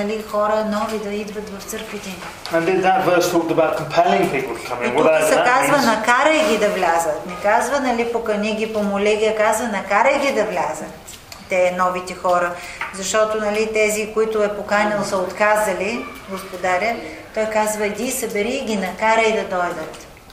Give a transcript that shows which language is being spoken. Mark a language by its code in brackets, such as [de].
[bg] хора нови да идват в църквите. [en] And did that verse talk about compelling people to come in? [bg] Тук се казва накарай ги да влязат. Не казва нали покани ги, помоли ги, а казва накарай ги да влязат. Те новите хора, защото нали тези, които е поканил, са отказали, господаря, той казва иди, събери ги, накарай да дойдат.